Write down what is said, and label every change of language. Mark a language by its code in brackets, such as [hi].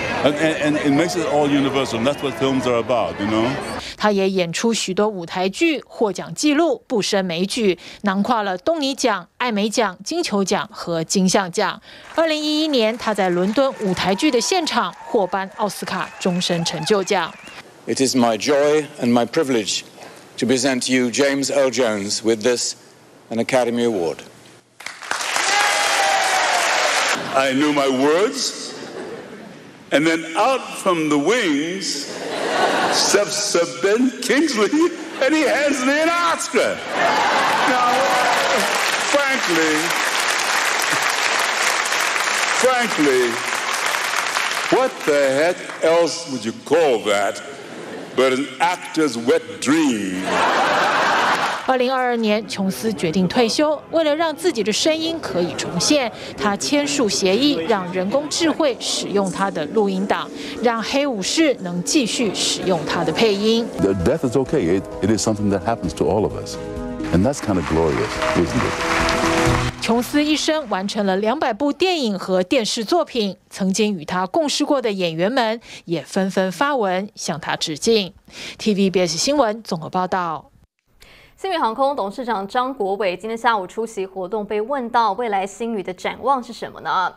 [en] And it makes it all universal. That's what films are about, you know. [zh] 他也演出许多舞台剧，获奖记录不胜枚举，囊括了东尼奖、艾美奖、金球奖和金像奖。 2011年，他在伦敦舞台剧的现场获颁奥斯卡终身成就奖。 [en] It is my joy and my privilege to present to you James Earl Jones with this an Academy Award. I knew my words. And then out from the wings steps Ben Kingsley, and he hands me an Oscar. Now, frankly, what the heck else would you call that but an actor's wet dream? [zh] 2022年，琼斯决定退休。为了让自己的声音可以重现，他签署协议，让人工智慧使用他的录音档，让黑武士能继续使用他的配音。 [en] The death is okay. It is something that happens to all of us, and that's kind of glorious, isn't it? [zh] 琼斯一生完成了200部电影和电视作品，曾经与他共事过的演员们也纷纷发文向他致敬。 TVBS 新闻综合报道。星宇航空董事长张国伟今天下午出席活动，被问到未来星宇的展望是什么呢？